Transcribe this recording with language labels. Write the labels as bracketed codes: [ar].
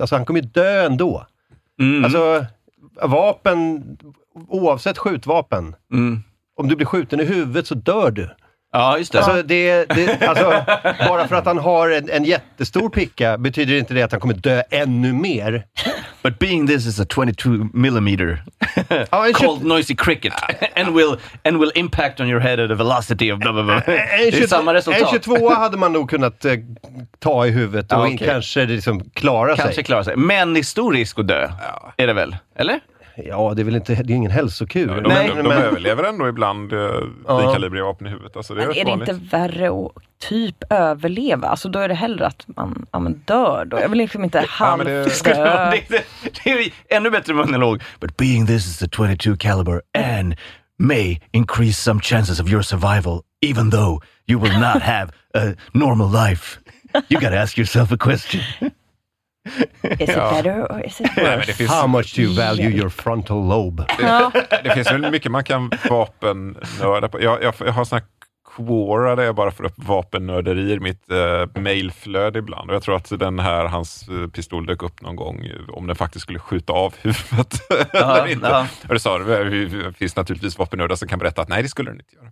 [sv] Alltså, han kommer ju dö ändå. Mm. Alltså, vapen, oavsett skjutvapen. Mm. Om du blir skjuten i huvudet så dör du. Ja, just det. Alltså, alltså bara för att han har en jättestor picka betyder inte det att han kommer dö ännu mer. [en] But being this is a 22 millimeter called noisy cricket and will impact on your head at a velocity of blah blah blah. [sv] Det är samma resultat. En 22 hade man nog kunnat ta i huvudet och okay. Kanske liksom klara kanske sig. Kanske klara sig. Men det är stor risk att dö. Ja. Är det väl? Eller? Ja, det är väl inte, det är ingen hälsokur. Ja, de överlever ändå ibland kalibriga vapen i huvudet. Alltså, det är men är det inte värre att typ överleva? Alltså då är det hellre att man ja, men dör då. Jag vill liksom inte halvt dö. Det är ännu bättre monolog. [en] But being this is a 22 caliber and may increase some chances of your survival even though you will not have a normal life. You gotta ask yourself a question. Is it better or is it worse? [sv] Nej, men det finns... [en] How much do you value your frontal lobe? [sv] Det finns väl mycket man kan vapennörda på. Jag har såna Quora där jag bara får upp vapennörderi i mitt mailflöde ibland. Och jag tror att den här, hans pistol dök upp någon gång, om den faktiskt skulle skjuta av huvudet eller inte. Och det sa du, det finns naturligtvis vapennördar som kan berätta att nej, det skulle den inte göra.